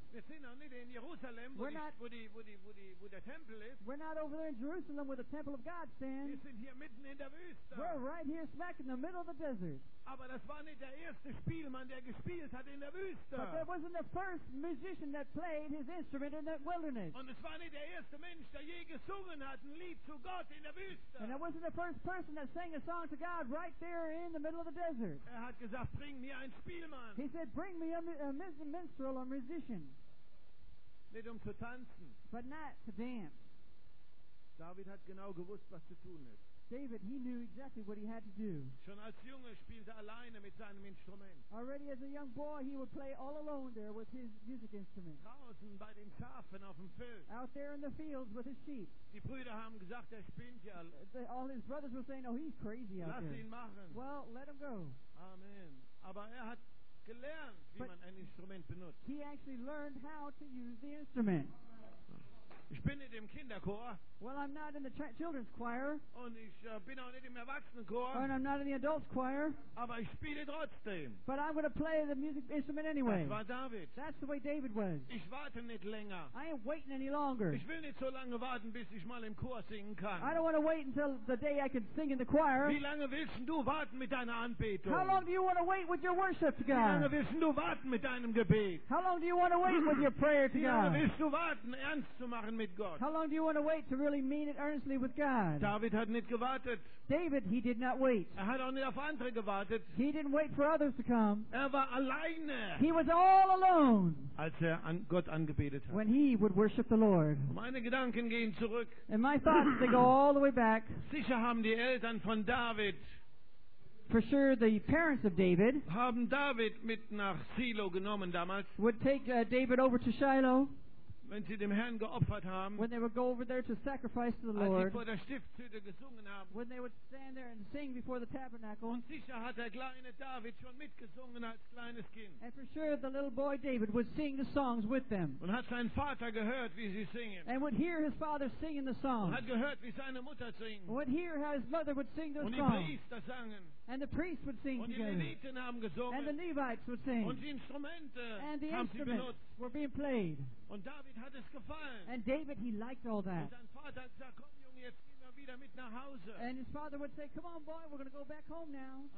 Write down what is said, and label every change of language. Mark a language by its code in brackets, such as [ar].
[de] Wir sind auch nicht in Jerusalem, wo der Tempel ist. [en] We're not over there in Jerusalem where the temple of God stands. [de] Wir sind hier mitten in der Wüste. [en] We're right here smack in the middle of the desert. [de] Aber das war nicht der erste Spielmann, der gespielt hat in der Wüste. [en] But there wasn't the first musician that played his instrument in that wilderness. [de] Und es war nicht der erste Mensch, der je gesungen hat ein Lied zu Gott in der Wüste. [en] And it wasn't the first person that sang a song to God right there in the middle of the desert. [de] Er hat gesagt, bring mir einen Spielmann. [en] He said, bring me a minstrel or musician. [de] Nicht um zu tanzen. [en] But not to dance. [de] David hat genau gewusst, was zu tun ist. [en] David, he knew exactly what he had to do. [de] Schon als Junge spielte alleine mit seinem Instrument. [en] Already as a young boy, he would play all alone there with his music instrument. [de] Draußen bei den Schafen auf dem Feld. [en] Out there in the fields with his sheep. [de] Die Brüder haben gesagt, er spinnt ja. [en] All his brothers were saying, oh, he's crazy out [de] lass [en] there. [de] Ihn machen. [en] Well, let him go. Amen. [de] Aber er hat gelernt, wie man ein Instrument benutzt. [en] He actually learned how to use the instrument. [de] Ich bin nicht im Kinderchor. [en] Well, I'm not in the children's choir. [de] Und ich bin auch nicht im Erwachsenenchor. [en] And I'm not in the adults choir. [de] Aber ich spiele trotzdem. [en] But I'm going to play the music instrument anyway. [de] Das war David. [en] That's the way David was. [de] Ich warte nicht länger. [en] I ain't waiting any longer. [de] Ich will nicht so lange warten, bis ich mal im Chor singen kann. [en] I don't want to wait until the day I can sing in the choir. [de] Wie lange willst du warten mit deiner Anbetung? [en] How long do you want to wait with your worship to God? [de] Wie lange willst du warten mit deinem Gebet? [en] How long do you want to wait with your prayer to God? [de] Wie lange willst du warten, ernst zu machen mit Gott? [en] How long do you want to wait to really mean it earnestly with God? [de] David hat nicht gewartet. [en] David, he did not wait. [de] Er hat auch nicht auf andere gewartet. [en] He didn't wait for others to come. [de] Er war alleine. [en] He was all alone. [de] Als er an Gott angebetet hat. [en] When he would worship the Lord. [de] Meine Gedanken gehen zurück. [en] And my thoughts, they go all the way back. [de] Sicher haben die Eltern von David. [en] For sure, the parents of David, [de] haben David mit nach Silo genommen damals, [en] would take David over to Shiloh. [de] Wenn sie dem Herrn geopfert haben, [en] when they would go over there to sacrifice to the Lord, [de] als sie vor der Stiftshütte gesungen haben, [en] when they would stand there and sing before the tabernacle, [de] und sicher hat der kleine David schon mitgesungen als kleines Kind. [en] And for sure, the little boy David would sing the songs with them. [de] Und hat seinen Vater gehört, wie sie singen. [en] And would hear his father singing the songs. [de] Und hat gehört, wie seine Mutter singen. [en] Would hear how his mother would sing those [de] und [en] songs. [de] Und die Priester sangen. [en] And the priests would sing [de] und [en] together. [de] Und die Leviten haben gesungen. [en] And the Levites would sing. [de] Und die Instrumente [en] and the [de] haben [en] instruments [de] sie benutzt. [en] Were being played. [de] Und David hat es gefallen. [en] And David, he liked all that. [de] Und sein Vater hat gesagt, komm Junge, jetzt gehen wir wieder mit nach Hause. [en] And his father would say, come on boy, we're going to go back home now.